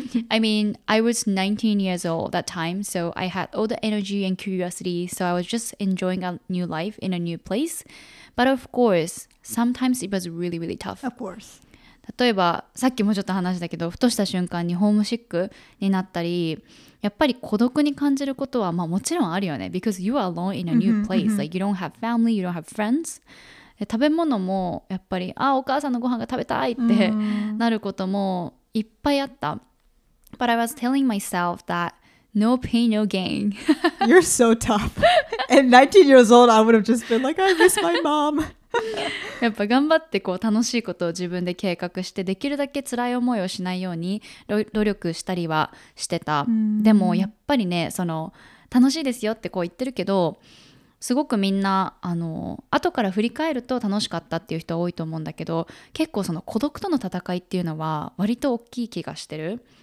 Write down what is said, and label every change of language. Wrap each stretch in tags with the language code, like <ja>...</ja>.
<en>I mean, I was 19 years old that time, so I had all the energy and curiosity, so I was just enjoying a new life in a new place. But of course, sometimes it was really, really tough. Of course.</en> <ja>例えばさっきもちょっと話したけど、ふとした瞬間にホームシックになったり、やっぱり孤独に感じることは、まあ、もちろんあるよね。</ja> <en>Because you are alone in a new place. Like, you don't have family, you don't have friends.</en> <ja>食べ物もやっぱり、あ、お母さんのご飯が食べたいってなることもいっぱいあった。</ja> <en>But I was telling myself that no pain, no gain. You're so tough. At 19 years old, I would have just been like, I miss my mom.</en> <ja>やっぱ頑張ってこう楽しいことを自分で計画して、できるだけ辛い思いをしないように努力したりはしてた。でもやっぱりね、その楽しいですよってこう言ってるけど、すごくみんな後から振り返ると楽しかったっていう人多いと思うんだけど、結構その孤独との戦いっていうのは割と大きい気がしてる。</ja>